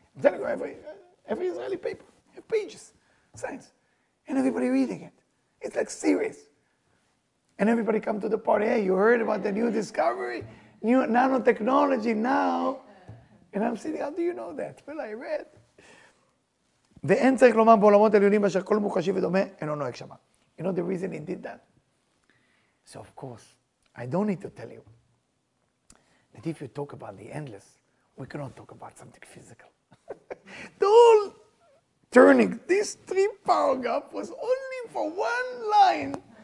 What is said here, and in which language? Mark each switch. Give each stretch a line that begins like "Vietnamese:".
English: I'm telling you, every Israeli paper, pages, science, and everybody reading it. It's like serious. And everybody come to the party, hey, you heard about the new discovery, new nanotechnology now. And I'm sitting, how do you know that? Well, I read.
Hebrew: ואין צריך לומר בעולמות העליונים אשר כל מוחשי ודומה אינו נוהג שמה.
English: You know the reason he did that? So of course, I don't need to tell you that if you talk about the endless, we cannot talk about something physical. The whole turning, this three paragraph was only for one line.